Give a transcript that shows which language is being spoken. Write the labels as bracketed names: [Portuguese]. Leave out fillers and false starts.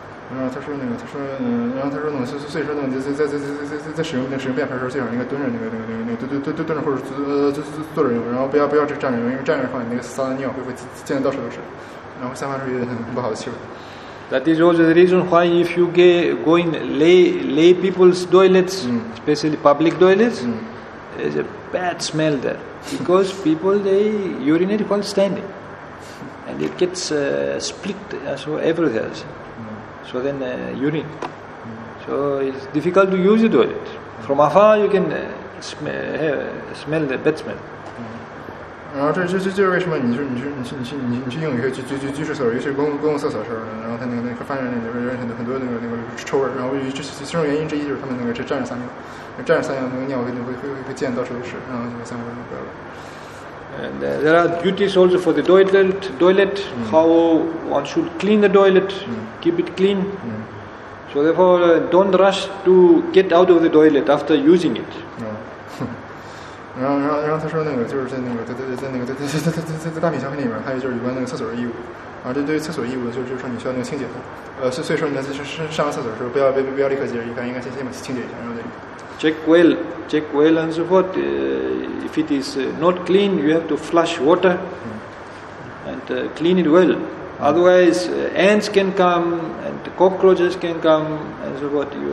[Chinese] 然后他说那个，他说，然后他说那个，所以说那个，在使用便盆的时候，最好应该蹲着那个蹲着或者坐着用，然后不要这站着用，因为站着的话，你那个撒的尿会溅到处都是，然后散发出一些不好的气味。 [English] That is also the reason why if you go in lay people's toilets, especially public toilets, there's a bad smell there. Because people they urinate while standing, and it gets split so everywhere else. So then urine. So it's difficult to use the toilet. From afar you can smell the bad smell. [Chinese] 然后这是为什么你去用一些居所，尤其是公共厕所的时候呢？然后他那个发现那个很多那个臭味，然后其中原因之一就是他们那个站着撒尿，那个尿会溅到处都是，然后就散发出味了。 [English] And there are duties also for the toilet, how one should clean the toilet, keep it clean. So therefore, don't rush to get out of the toilet after using it. [Chinese] 然后他说那个就是在大米消费里面，还有就是有关那个厕所的义务。啊，对厕所义务就是说你需要那个清洁它。所以说你在上厕所的时候，不要立刻接着，应该先把清洁一下，然后再。 [English] Check well and so forth. If it is not clean, you have to flush water and clean it well. Otherwise, ants can come and cockroaches can come and so forth.